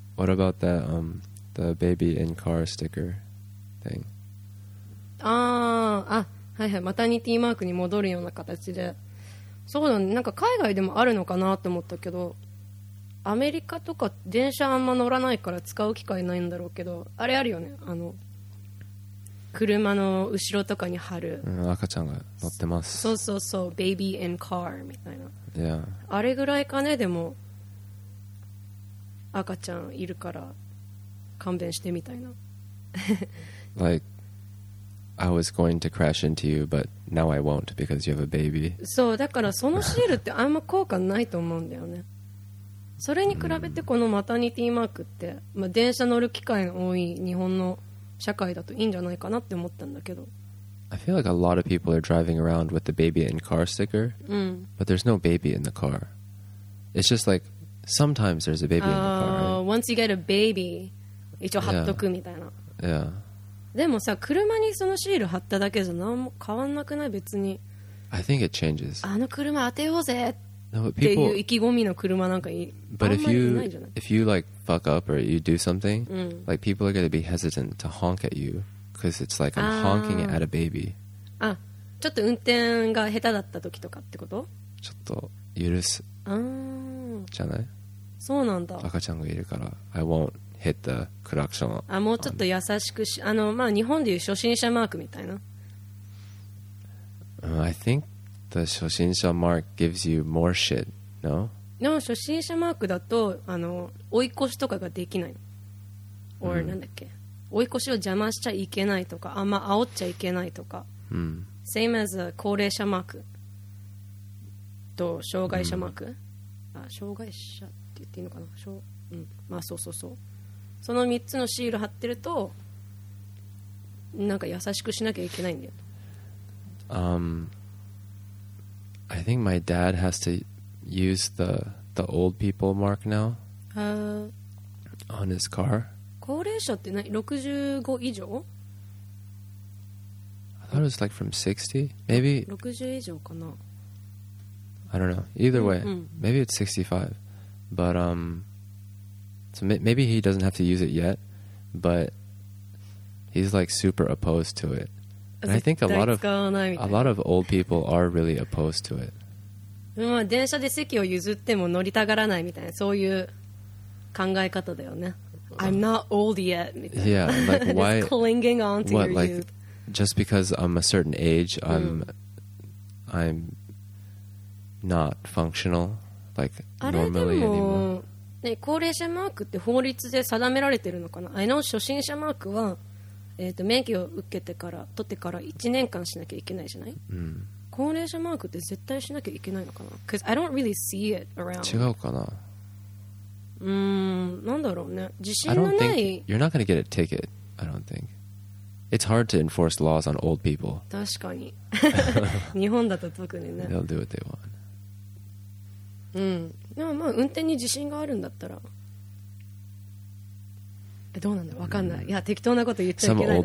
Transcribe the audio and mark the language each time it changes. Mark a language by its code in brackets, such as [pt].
[en] What about that, the baby in car sticker thing? [ja] ああ、はいはい、マタニティマークに戻るような形で。そうだね、なんか海外でもあるのかなって思ったけど、アメリカとか電車あんま乗らないから使う機会ないんだろうけど、あれあるよね、あの車の後ろとかに貼る、うん、赤ちゃんが乗ってます、そうそうそう、 [en] baby in car [ja] みたいな、 [en] yeah. [ja] あれぐらいかね、でも赤ちゃんいるから勘弁してみたいな。 [en] Like I was going to crash into you but now I won't because you have a baby. [ja] そうだから、そのシールってあんま効果ないと思うんだよね。それに比べてこのマタニティマークって、まあ、電車乗る機会が多い日本の社会だといいんじゃないかなって思ったんだけど。 [en] I feel like a lot of people are driving around with the baby in car sticker、 [ja] うん、 [en] but there's no baby in the car. It's just like sometimes there's a baby in the car. Once you get a baby, [ja] 一応貼っとくみたいな。 [en] Yeah. Yeah. [ja] でもさ、車にそのシール貼っただけじゃ何も変わんなくない、別に。 [en] I think it changes. [ja] あの車当てようぜ。 [en] No, but people, [ja] っていう意気込みの車なんかいい、あんまりいないじゃない。 [en] But if you like fuck up or you do something、うん、like people are gonna be hesitant to honk at you because it's like I'm honking at a baby. [ja] あ、ちょっと運転が下手だった時とかってこと？ちょっと許す。あ、じゃない？そうなんだ。赤ちゃんがいるから [en] I won't hit the [ja] クラクション。あ、もうちょっと優しくし、あの、まあ日本でいう初心者マークみたいな。 [en] I think the 初心者マーク gives you more shit, no? [ja] でも初心者マークだと、あの追い越しとかができない、or、mm. なんだっけ、追い越しを邪魔しちゃいけないとか、あんま煽っちゃいけないとか、 mm. [en] same as [ja] 高齢者マークと障害者マーク、mm. あ、障害者って言っていいのかな、うん、まあそうそうそう、その3つのシール貼ってるとなんか優しくしなきゃいけないんだよ。 [en] I think my dad has to use the old people mark now on his car. [ja] 高齢者って何？65以上？ [en] I thought it was like from 60, maybe. [ja] 60以上かな。 [en] I don't know. Either way, mm-hmm. maybe it's 65. But so maybe he doesn't have to use it yet, but he's like super opposed to it. And I think a lot of old people are really opposed to it. [ja] まあ電車で席を譲っても乗りたがらないみたいな、そういう考え方だよね。 [en] I'm not old yet. [ja] みたいな。 [en] Yeah, like why? Just clinging onto your youth. Like, just because I'm a certain age, I'm、mm. I'm not functional like normally anymore. [ja] ね、高齢者マークって法律で定められてるのかな？ [en] I know [ja] 初心者マークは免許を受けてから取ってから1年間しなきゃいけないじゃない、うん、高齢者マークって絶対しなきゃいけないのかな、 [en] Cause I don't really see it around. [ja] 違うかな、なんだろうね、自信のない。 [en] You're not gonna get a ticket, I don't think. It's hard to enforce laws on old people. [ja] 確かに日本だと特にね。 [en] They'll do what they want. [ja] でもまあ運転に自信があるんだったらどうなんだ、わかんない、いや適当なこと言っちゃいけないの。